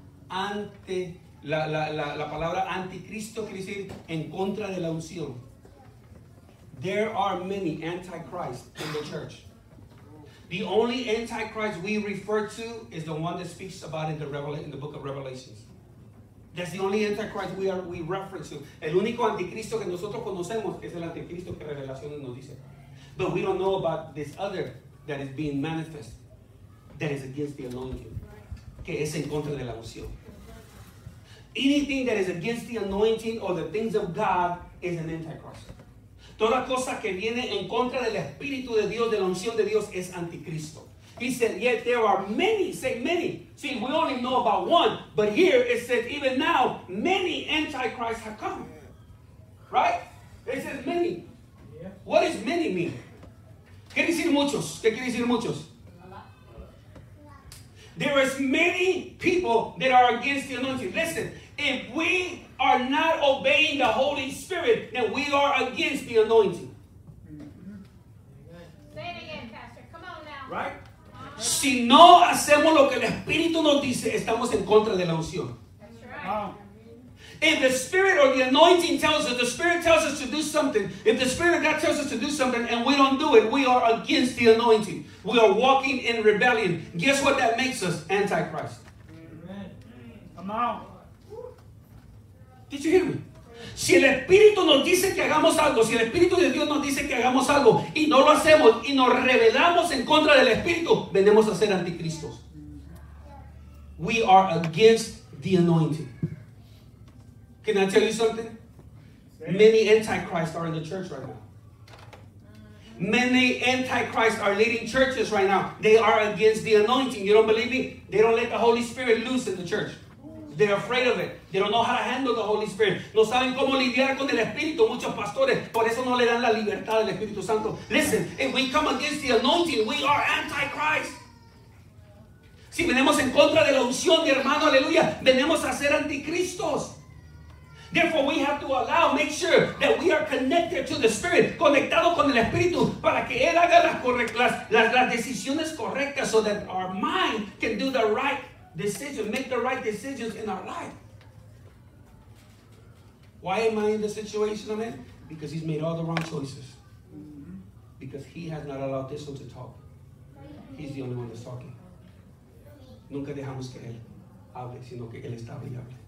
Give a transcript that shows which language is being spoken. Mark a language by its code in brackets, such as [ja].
[es] Ante, la palabra anticristo quiere decir en contra de la unción. [en] There are many antichrists in the church. The only antichrist we refer to is the one that speaks about in the book of Revelations. That's the only antichrist we reference to. [es] El único anticristo que nosotros conocemos es el anticristo que Revelaciones nos dice. [en] But we don't know about this other that is being manifest, that is against the anointing, [es] que es en contra de la unción. [en] Anything that is against the anointing or the things of God is an antichrist. [es] Toda cosa que viene en contra del Espíritu de Dios, de la unción de Dios, es anticristo. [en] He said, yet there are many, say many. See, we only know about one, but here it says, even now, many antichrists have come. Yeah. Right? It says many. Yeah. What does many mean? [es] ¿Qué quiere decir muchos? ¿Qué quiere decir muchos? [en] There is many people that are against the anointing. Listen, if we are not obeying the Holy Spirit, then we are against the anointing. Say it again, Pastor. Come on now. Right? [es] Si no hacemos lo que el Espíritu nos dice, estamos en contra de la unción. [en] That's right. If the Spirit or the anointing tells us, the Spirit tells us to do something, if the Spirit of God tells us to do something and we don't do it, we are against the anointing. We are walking in rebellion. Guess what that makes us? Antichrist. Come on. Did you hear me? [es] Si el Espíritu nos dice que hagamos algo, si el Espíritu de Dios nos dice que hagamos algo y no lo hacemos y nos rebelamos en contra del Espíritu, venimos a ser anticristos. [en] We are against the anointing. Can I tell you something? Many antichrists are in the church right now. Many antichrists are leading churches right now. They are against the anointing. You don't believe me? They don't let the Holy Spirit loose in the church. They're afraid of it. They don't know how to handle the Holy Spirit. [es] No saben cómo lidiar con el Espíritu. Muchos pastores, por eso no le dan la libertad al Espíritu Santo. [en] Listen, if we come against the anointing, we are antichrist. [es] Si venimos en contra de la unción, mi hermano, aleluya, venimos a ser anticristos. [en] Therefore, we have to allow, make sure that we are connected to the Spirit, [es] conectado con el Espíritu, para que Él haga las decisiones correctas [en] so that our mind can do the right thing. Decision, make the right decisions in our life. Why am I in the situation I'm in? Because he's made all the wrong choices. Because he has not allowed this one to talk. He's the only one that's talking. [es] Nunca dejamos que él hable, sino que él está hablando.